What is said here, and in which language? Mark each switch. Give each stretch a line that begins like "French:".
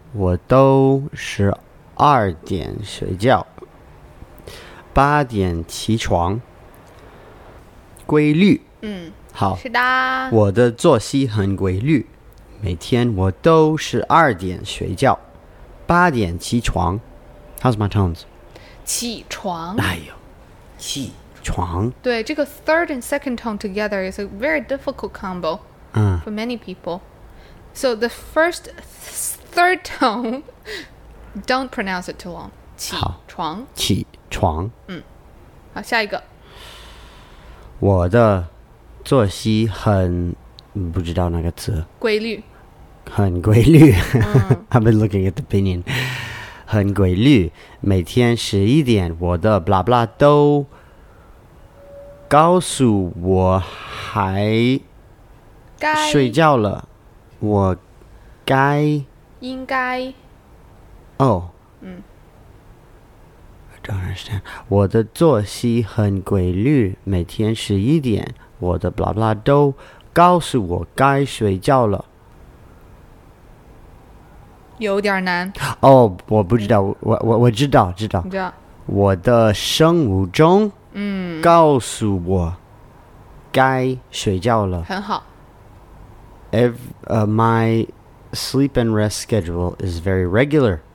Chinese: 我都是二点睡觉，八点起床，规律。好，是的。我的作息很规律，每天我都是二点睡觉，八点起床。
English: How's my tones?
Chinese: 起床。哎呦，起床。对，这个
English: third and second tone together is a very difficult combo for many people. So the first third tone, don't pronounce it too long.
Chinese: 起床。起床。好，下一个。我的作息很，不知道那个词。规律。很规律。
English: I've been looking at the opinion. 很规律。
Chinese: 每天十一点，我的 blah blah 都告诉我还睡觉了。我该应该。
English: I don't understand.
Chinese: 我的作息很规律，每天十一点，我的 blah blah 都告诉我该睡觉了。有点难。我不知道。我知道。你知道。我的生物钟告诉我该睡觉了。很好。
English: My sleep and rest schedule is very regular.